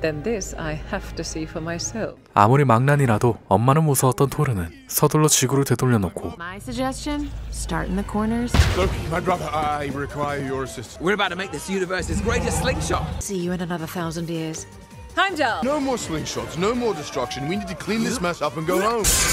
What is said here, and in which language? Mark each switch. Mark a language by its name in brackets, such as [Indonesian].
[English] Then this I have to see for myself. [Korean] 아무리 망나니라도 엄마는 무서웠던 토르는 서둘러 지구를 되돌려놓고 [English] My suggestion? Start in the corners. Look, my brother, I require your assistance. We're about to make this universe's greatest slingshot. See you in another 1,000 years. Heimdall! No more slingshots, no more destruction. We need to clean this mess up and go home.